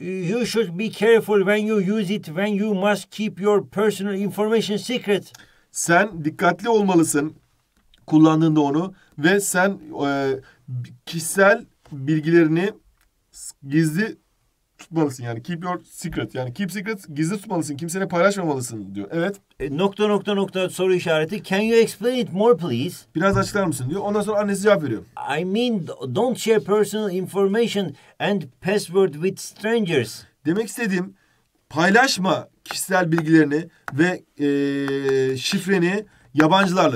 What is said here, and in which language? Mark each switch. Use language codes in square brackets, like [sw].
[en] You should be careful when you use it, when you must keep your personal information secret. [tr] Sen dikkatli olmalısın kullandığında onu ve sen kişisel bilgilerini gizli tutmalısın. Yani [en] keep your secret. [tr] Yani [en] keep secret, [tr] gizli tutmalısın. Kimseye paylaşmamalısın diyor. Evet. ...... soru işareti. [en] Can you explain it more please? [tr] Biraz açıklar mısın diyor. Ondan sonra annesi cevap veriyor. [en] I mean don't share personal information and password with strangers. [tr] Demek istediğim, paylaşma kişisel bilgilerini ve şifreni yabancılarla.